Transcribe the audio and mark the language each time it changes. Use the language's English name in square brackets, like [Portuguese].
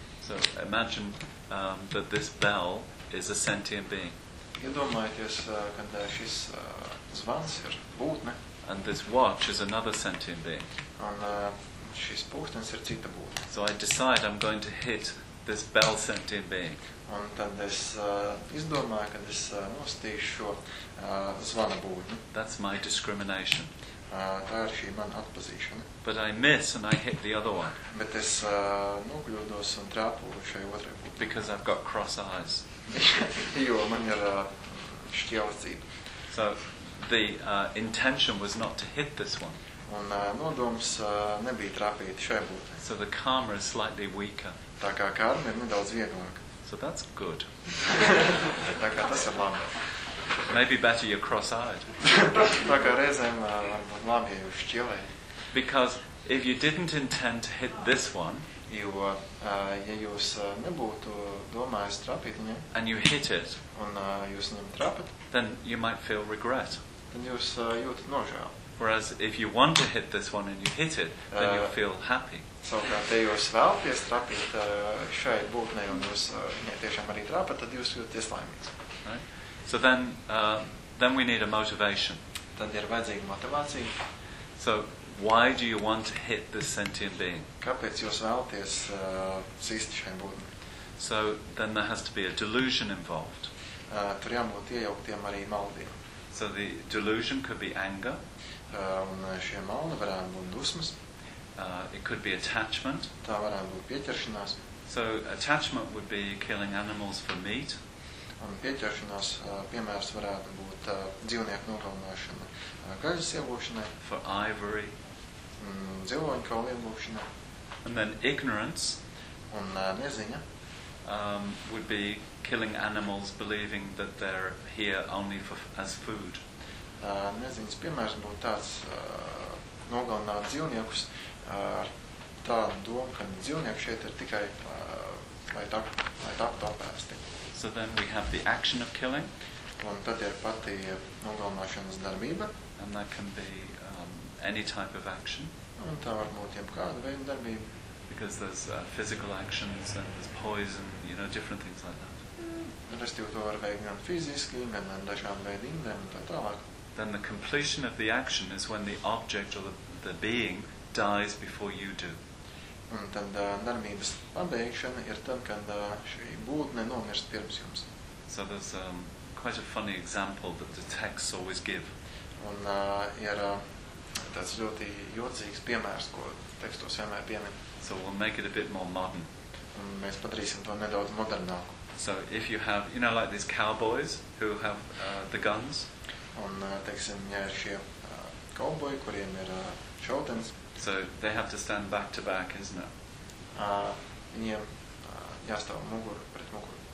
[English] So imagine that this bell is a sentient being. [Latvian] Iedomājieties, kad šis zvans ir būtne. [English] And this watch is another sentient being. [Latvian] Un šis pulkstens ir cita būtne. [English] So I decide I'm going to hit this bell sentient being. [Latvian] Un tad es izdomāju, kad es nostīšu šo zvana būtni. [English] That's my discrimination. [Latvian] tā ir šī mana atpazīšana. [English] But I miss and I hit the other one. [Latvian] Bet es nokļūdos un trāpu šai otrai. [English] Because I've got cross eyes. [Latvian] Jo man ir šķielicība. [English] So the intention was not to hit this one. [Latvian] Un nodoms nebija trāpīt šai būtnei. [English] So the karma is slightly weaker. [Latvian] Tā kā karma ir nedaudz vieglāka. [English] So that's good. [Latvian] Tā kā tas ir labi. [English] Maybe better you're cross-eyed. [Latvian] Tā kā reizēm labi ir šķielēji. [English] Because if you didn't intend to hit this one, [Latvian] jo, ja jūs nebūtu domājis trāpīt viņu, [English] and you hit it, [Latvian] un jūs viņam trāpat, [English] then you might feel regret. [Latvian] Tad jūs jūtat nožēlu. [English] Whereas if you want to hit this one and you hit it, then you feel happy. [Latvian] Savukārt, ja jūs vēlaties trāpīt šai būtnei un jūs viņai tiešām arī trāpat, tad jūs jūties laimīgs. [English] So then we need a motivation. [Latvian] Tad ir vajadzīga motivācija. [English] So why do you want to hit this sentient being? [Latvian] Kāpēc jūs vēlaties cīst šai būtnei? [English] So then there has to be a delusion involved. [Latvian] Tur jābūt iejauktiem arī maldiem. [English] So the delusion could be anger. [Latvian] Un šie maldi varētu būt dusmas. [English] It could be attachment. [Latvian] Tā varētu būt pieķeršanās. [English] So attachment would be killing animals for meat. [Latvian] Un pieķeršanās piemērs varētu būt dzīvnieku nogalināšana gaļas iegūšanai. [English] For ivory. [Latvian] Dzīvoņu kaulu iegūšanai. [English] And then ignorance. [Latvian] Un neziņa. [English] Would be killing animals believing that they're here only for as food. [Latvian] Neziņas piemērs būtu tāds nogalināt dzīvniekus ar tādu domu, ka dzīvnieki šeit ir tikai lai taptu apēsti. [English] So then we have the action of killing. [Latvian] Un tad ir pati nogalināšanas darbība. [English] And that can be any type of action. [Latvian] Un tā var būt jebkāda veida darbība. [English] Because there's physical actions and there's poison, you know, different things like that. [Latvian] Respektīvi, to var veikt gan fiziski, gan dažādu veidu indēm un tā tālāk. [English] Then the completion of the action is when the object or the being dies before you do. [Latvian] Un tad darbības pabeigšana ir tad, kad šī būtne nomirst pirms jums. [English] So there's quite a funny example that the texts always give. [Latvian] Un ir tāds ļoti jocīgs piemērs, ko tekstos vienmēr piemin. [English] So we'll make it a bit more modern. [Latvian] Un mēs padarīsim to nedaudz modernāku. [English] So if you have, you know, like these cowboys who have the guns. [Latvian] Un, teiksim, ja ir šie kauboji, kuriem ir šautenes. [English] So, they have to stand back to back, isn't it? [Latvian] Viņiem jāstāv muguru pret muguru.